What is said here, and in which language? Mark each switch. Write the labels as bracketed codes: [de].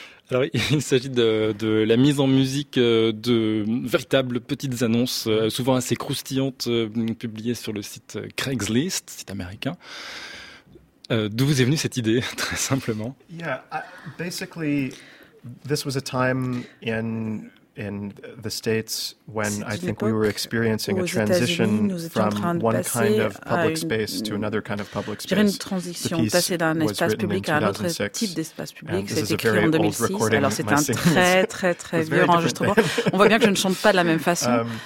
[fr] Alors, il s'agit de la mise en musique de véritables petites annonces, souvent assez croustillantes, publiées sur le site Craigslist, site américain. D'où vous est venue cette idée, très simplement ? [en] Yeah, basically, this was a time in the States when I think we were experiencing a transition from one kind of public space to another kind of public space. [fr] Une transition, passer d'un espace public à un autre type d'espace public. C'est écrit en 2006. Alors c'est un très très très vieux enregistrement. On voit bien que je ne chante pas de la même façon.